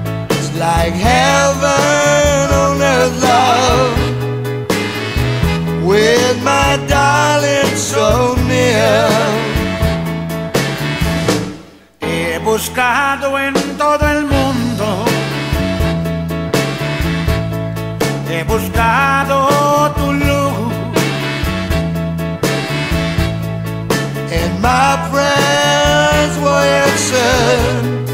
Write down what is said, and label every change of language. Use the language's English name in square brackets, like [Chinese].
[English] It's like heaven on earth, love, with my darling so near. [Spanish] He buscado en todo el mundo, he buscado tu luz. [English] My prayers were answered.